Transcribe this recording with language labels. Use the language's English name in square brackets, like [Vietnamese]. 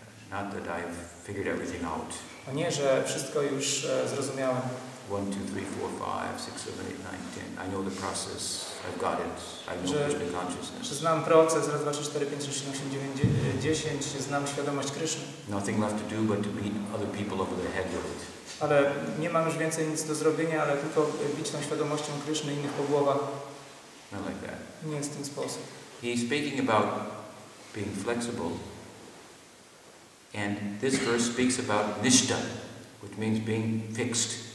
[English] Not that I've figured everything out. [Polish] A nie, że wszystko już zrozumiałem. [English] 1, 2, 3, 4, 5, 6, 7, 8, 9, 10. I know the process. I've got it. I know Krishna consciousness. [Polish] Znam proces. 1, 2, 3, 4, 5, 6, 7, 8, 9, 10. Znam świadomość Krishna. [English] Nothing left to do but to beat other people over the head with it. [Polish] Ale nie mam już więcej nic do zrobienia, ale tylko bić tą świadomością Krishna innych po głowach. [English] Not like that. [Polish] Nie jest w ten sposób. [English] He's speaking about being flexible. And this verse speaks about nishta, which means being fixed.